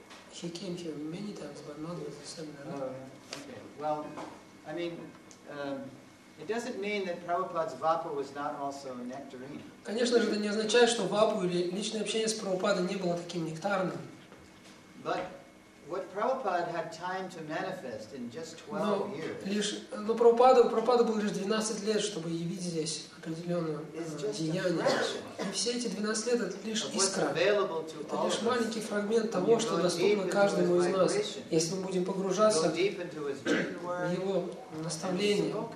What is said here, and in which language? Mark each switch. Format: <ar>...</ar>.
<en>He came here many times, but not with the seminar. It doesn't mean that Prabhupada's vapa was not also nectarine.</en> <ru>Конечно же, это не означает, что вапу или личное общение с Прабхупадой не было таким нектарным.</ru> <en>But what Prabhupada had time to manifest in just 12 years.</en> <ru>Но Прабхупада было лишь 12 лет, чтобы явить здесь определенное деяние. И все эти 12 лет это лишь искра. Это лишь маленький фрагмент того, что доступно каждому из нас, если мы будем погружаться в его наставление.</ru>